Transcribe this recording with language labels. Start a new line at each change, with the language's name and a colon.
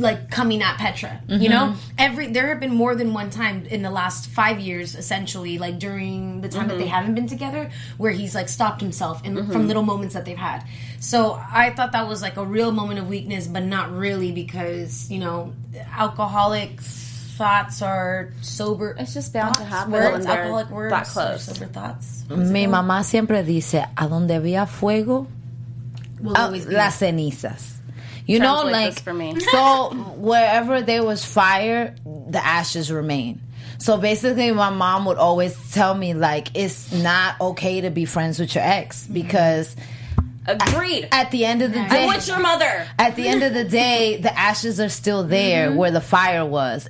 English: Coming at Petra, you know? There have been more than one time in the last 5 years, essentially, like, during the time that they haven't been together, where he's, like, stopped himself from little moments that they've had. So I thought that was, like, a real moment of weakness, but not really because, you know, alcoholic thoughts are sober. It's just bound thoughts, to happen. Words, alcoholic words. That close. Sober thoughts.
Spanish: Mi mamá siempre dice, a donde había fuego, las cenizas.
English: You know, like, for me. So wherever there was fire, the ashes remain. So basically, my mom would always tell me, like, it's not okay to be friends with your ex because... Agreed. At the end of the day... I'm with your mother. At the end of the day, the ashes are still there where the fire was.